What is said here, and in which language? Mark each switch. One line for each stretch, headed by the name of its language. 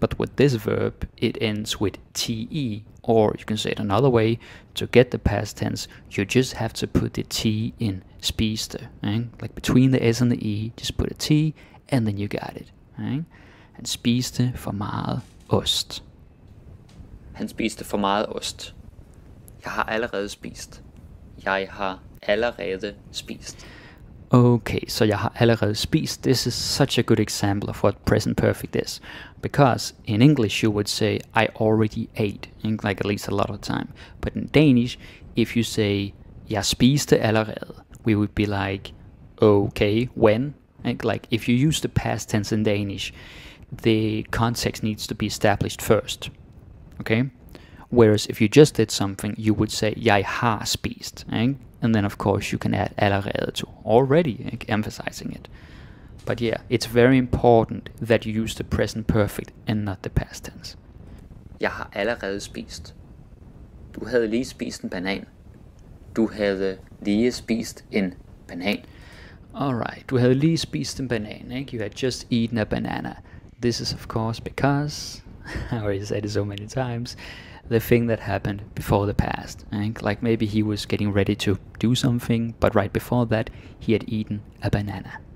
English: But with this verb, it ends with te. Or you can say it another way. To get the past tense, you just have to put the t in spiste. Right? Like between the s and the e, just put a t and then you got it. Right?
Danish: Han spiste for meget ost. Han spiste for meget ost. Jeg har allerede spist. Jeg har allerede spist.
English: Okay, so jeg har allerede spist. This is such a good example of what present perfect is. Because in English you would say, I already ate, like at least a lot of time. But in Danish, if you say, jeg spiste allerede, we would be like, okay, when? Like if you use the past tense in Danish, the context needs to be established first. Okay? Whereas if you just did something, you would say, jeg har spist. And then, of course, you can add allerede to already, emphasizing it. But yeah, it's very important that you use the present perfect and not the past tense.
Danish: Jeg har allerede spist. Du havde lige spist en banan. Du havde lige spist en banan.
English: Alright,
Danish: du havde lige spist en banan. Ikke?
English: You had just eaten a banana. This is, of course, because, I already said it so many times, the thing that happened before the past. Like maybe he was getting ready to do something, but right before that, he had eaten a banana.